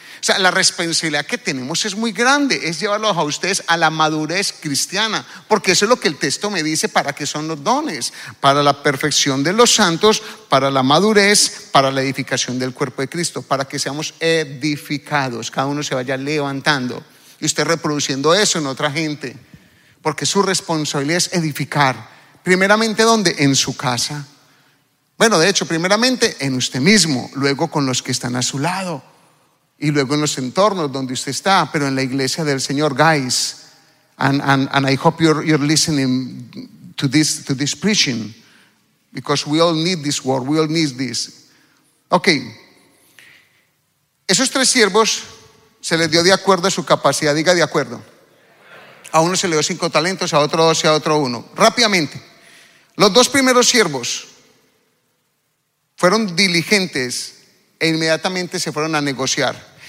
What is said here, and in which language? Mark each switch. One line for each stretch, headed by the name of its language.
Spanish: O sea, la responsabilidad que tenemos es muy grande, es llevarlos a ustedes a la madurez cristiana, porque eso es lo que el texto me dice para qué son los dones, para la perfección de los santos, para la madurez, para la edificación del cuerpo de Cristo, para que seamos edificados, cada uno se vaya levantando y usted reproduciendo eso en otra gente, porque su responsabilidad es edificar, primeramente ¿dónde? En su casa. Bueno, de hecho, primeramente en usted mismo, luego con los que están a su lado, y luego en los entornos donde usted está, pero en la iglesia del Señor.
English: Guys, and I hope you're listening to this preaching, because we all need this word, we all need this.
Spanish: Ok, esos 3 siervos se les dio de acuerdo a su capacidad, diga de acuerdo. A uno se le dio 5 talentos, a otro 2 y a otro 1. Rápidamente, los 2 primeros siervos fueron diligentes e inmediatamente se fueron a negociar.